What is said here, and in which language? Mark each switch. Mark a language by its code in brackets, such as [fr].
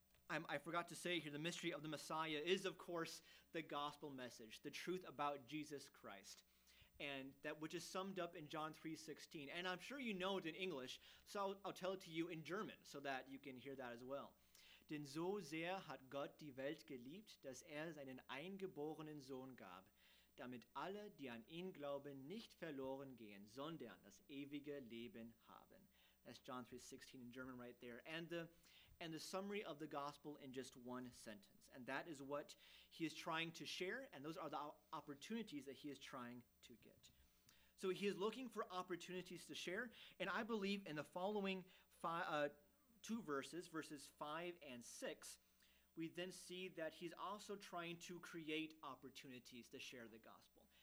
[en] I forgot to say here, the mystery of the Messiah is, of course, the gospel message, the truth about Jesus Christ. And that which is summed up in John 3:16. And I'm sure you know it in English, so I'll tell it to you in German so that you can hear that as well. [de] Denn so sehr hat Gott die Welt geliebt, dass seinen eingeborenen Sohn gab, damit alle, die an ihn glauben, nicht verloren gehen, sondern das ewige Leben haben. [en] That's John 3:16 in German right there. And the summary of the gospel in just one sentence. And that is what he is trying to share, and those are the opportunities that he is trying to get. So he is looking for opportunities to share, and I believe in the following two verses, verses 5 and 6, we then see that he's also trying to create opportunities to share the gospel.